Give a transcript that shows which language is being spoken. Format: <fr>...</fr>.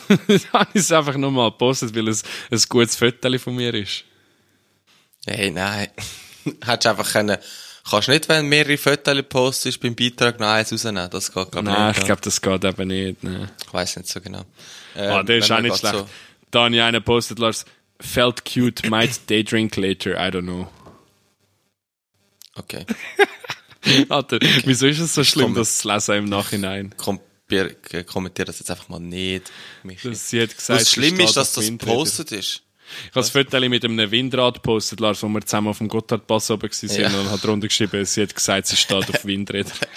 <de>Da habe ich es einfach noch mal gepostet, weil es ein gutes Foto von mir ist. Hey, nein. Hättest einfach können. Kannst du nicht, wenn mehrere Fotos postest, beim Beitrag noch eins rausnehmen? Das geht gar nicht. Nein, ich glaube, das geht eben nicht. Nein. Ich weiß nicht so genau. Der ist auch nicht schlecht. So. Da habe ich einen postet, Lars.</de> <en>Felt cute, might day drink later, I don't know.</en> <de>Okay. Alter, okay. Wieso ist es so schlimm, das zu lesen im Nachhinein? Kommentiere das jetzt einfach mal nicht. Das, sie hat gesagt, das Schlimme ist, dass das gepostet ist. Ich habe das Foto mit einem Windrad gepostet, Lars, wo wir zusammen auf dem Gotthardpass oben waren, ja. Und hat darunter geschrieben, sie hat gesagt, sie steht auf Windrädern.</de>